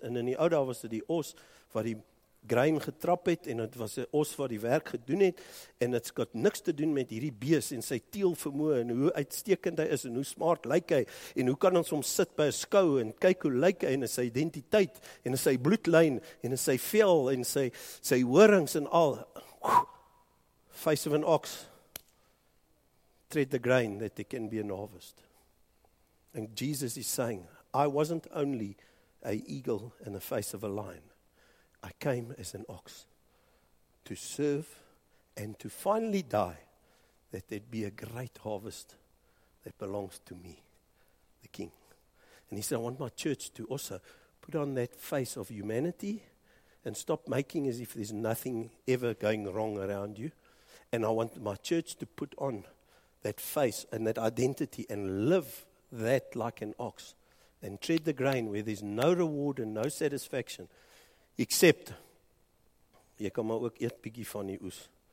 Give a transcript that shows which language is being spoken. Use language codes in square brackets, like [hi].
[af] En in die ou dae was dit die os wat die grain getrap het en het was 'n os wat die werk gedoen het en het got niks te doen met hierdie bees en sy teel vermoe en hoe uitstekend hy is en hoe smart lyk hy en hoe kan ons hom sit by 'n skou en kyk hoe lyk hy en is sy identiteit en is sy bloedlyn en is sy vel en sy horings en al. [en] Face of an ox, tread the grain that there can be an harvest. And Jesus is saying, I wasn't only an eagle in the face of a lion. I came as an ox to serve and to finally die that there'd be a great harvest that belongs to me, the King. And he said, I want my church to also put on that face of humanity and stop making as if there's nothing ever going wrong around you. And I want my church to put on that face and that identity and live that like an ox and tread the grain where there's no reward and no satisfaction. [af] Except, jy kan maar ook eet bietjie van die oes.